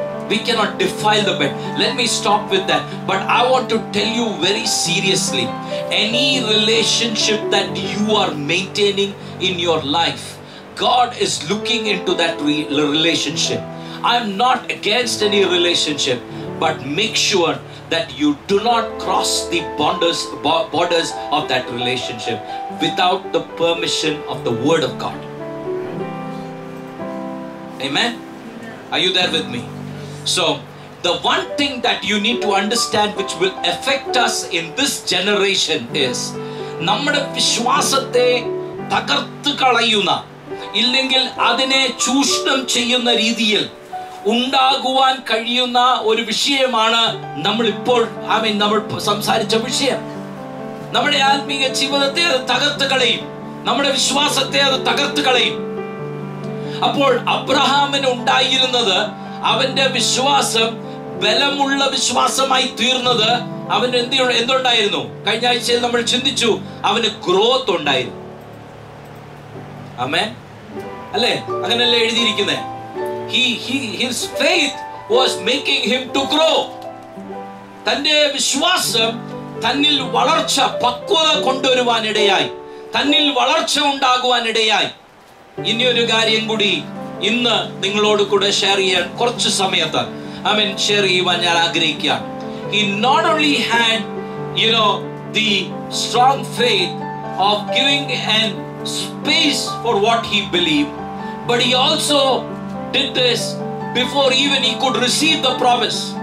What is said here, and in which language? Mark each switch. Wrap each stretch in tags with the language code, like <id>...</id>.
<en>We cannot defile the bed. Let me stop with that, but I want to tell you very seriously, any relationship that you are maintaining in your life, God is looking into that relationship. I'm not against any relationship, but make sure that you do not cross the borders of that relationship without the permission of the Word of God. Amen? Are you there with me? So, the one thing that you need to understand which will affect us in this generation is,</en> <ml>നമ്മുടെ വിശ്വാസത്തെ തകർത്തു കളയുന്ന, ഇല്ലെങ്കിൽ അതിനെ ചൂഷണം ചെയ്യുന്ന രീതിയിൽ ഉണ്ടാകുവാൻ കഴിയുന്ന ഒരു വിഷയമാണ് നമ്മൾ ഇപ്പോൾ നമ്മൾ സംസാരിച്ച വിഷയം. നമ്മുടെ ആത്മീയ ജീവിതത്തെ അത് തകർത്ത് കളയും, നമ്മുടെ വിശ്വാസത്തെ അത് തകർത്ത് കളയും. അപ്പോൾ അബ്രഹാമിന് ഉണ്ടായിരുന്നത്, അവന്റെ വിശ്വാസം ബലമുള്ള വിശ്വാസമായി തീർന്നത് അവന് എന്തുണ്ടായിരുന്നു? കഴിഞ്ഞ ആഴ്ചയിൽ നമ്മൾ ചിന്തിച്ചു, അവന് ഗ്രോത്ത് ഉണ്ടായിരുന്നു. ആമേൻ. അല്ലേ? അങ്ങനെയല്ലേ എഴുതിയിരിക്കുന്നത്?</ml> <en>His faith was making him to grow.</en> <ml>തന്റെ വിശ്വാസം തന്നിൽ വളർച്ച, പക്വത കൊണ്ടുവരുവാൻ ഇടയായി, തന്നിൽ വളർച്ച ഉണ്ടാകുവാൻ ഇടയായി. ഇനിയൊരു കാര്യം കൂടി ഇന്ന് നിങ്ങളോട് കൂടെ ഷെയർ ചെയ്യാൻ കുറച്ച് സമയത്ത് ഷെയർ ചെയ്യുവാൻ ഞാൻ ആഗ്രഹിക്കുക.</ml> <en>He not only had, the strong faith of giving and space for what he believed, but he also did this before even he could receive the promise.</en>